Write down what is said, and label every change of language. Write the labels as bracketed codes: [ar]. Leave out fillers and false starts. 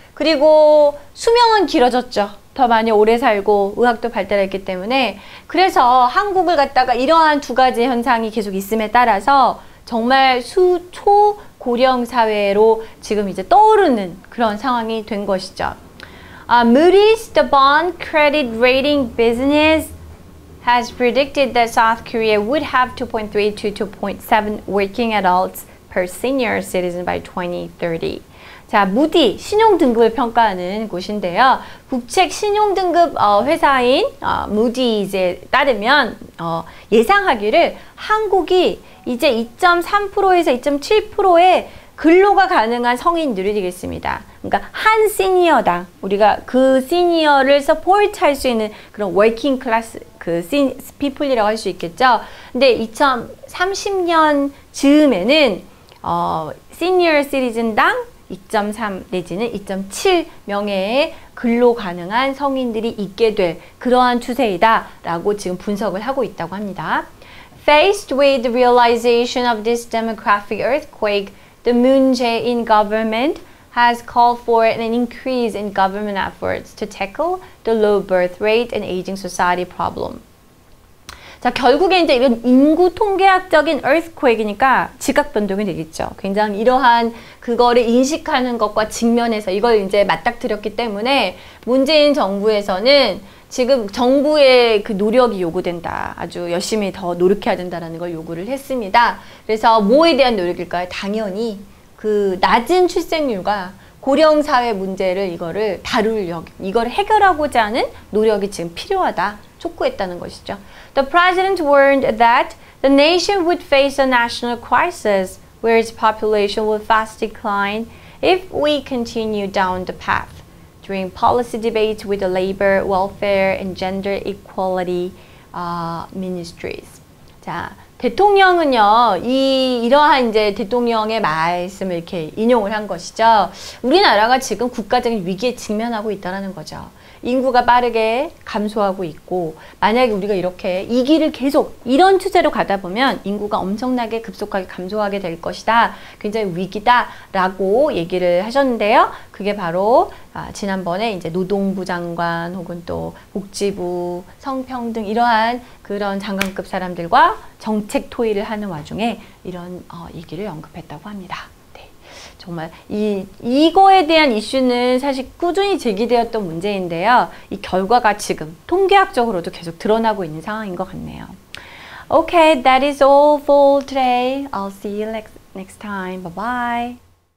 [ko] 그리고 수명은 길어졌죠. 더 많이 오래 살고 의학도 발달했기 때문에 그래서 한국을 갖다가 이러한 두 가지 현상이 계속 있음에 따라서 정말 수초 고령 사회로 지금 이제 떠오르는 그런 상황이 된 것이죠. [en] Moody's the bond credit rating business has predicted that South Korea would have 2.3 to 2.7 working adults per senior citizen by 2030. [ko] 자, 무디 신용등급을 평가하는 곳인데요. 국책 신용등급 회사인 무디즈에 따르면 예상하기를 한국이 이제 2.3%에서 2.7%의 근로가 가능한 성인들이 되겠습니다. 그러니까 한 시니어당 우리가 그 시니어를 서포트할 수 있는 그런 워킹 클래스 그 people이라고 할 수 있겠죠. 근데 2030년 즈음에는 시니어 시리즌당 2.3 내지는 2.7명의 근로 가능한 성인들이 있게 될 그러한 추세이다라고 지금 분석을 하고 있다고 합니다. [en] Faced with the realization of this demographic earthquake, the Moon Jae-in government has called for an increase in government efforts to tackle the low birth rate and aging society problem. [ko] 자, 결국에 이제 이런 인구 통계학적인 earthquake이니까 지각 변동이 되겠죠. 굉장히 이러한 그거를 인식하는 것과 직면해서 이걸 이제 맞닥뜨렸기 때문에 문재인 정부에서는 지금 정부의 그 노력이 요구된다. 아주 열심히 더 노력해야 된다라는 걸 요구를 했습니다. 그래서 뭐에 대한 노력일까요? 당연히 그 낮은 출생률과 고령 사회 문제를 이거를 다루려고 이걸 해결하고자 하는 노력이 지금 필요하다. 촉구했다는 것이죠. [en] The president warned that the nation would face a national crisis where its population would fast decline if we continue down the path. During policy debates with the labor, welfare, and gender equality ministries. [ko] 자, 대통령은요, 이러한 이제 대통령의 말씀을 이렇게 인용을 한 것이죠. 우리나라가 지금 국가적인 위기에 직면하고 있다는 거죠. 인구가 빠르게 감소하고 있고 만약에 우리가 이렇게 이 길을 계속 이런 추세로 가다 보면 인구가 엄청나게 급속하게 감소하게 될 것이다. 굉장히 위기다 라고 얘기를 하셨는데요. 그게 바로 지난번에 이제 노동부 장관 혹은 또 복지부 성평등 이러한 그런 장관급 사람들과 정책 토의를 하는 와중에 이런 얘기를 언급했다고 합니다. 정말 이거에 대한 이슈는 사실 꾸준히 제기되었던 문제인데요. 이 결과가 지금 통계학적으로도 계속 드러나고 있는 상황인 것 같네요. [en] Okay, that is all for today. I'll see you next time. Bye-bye.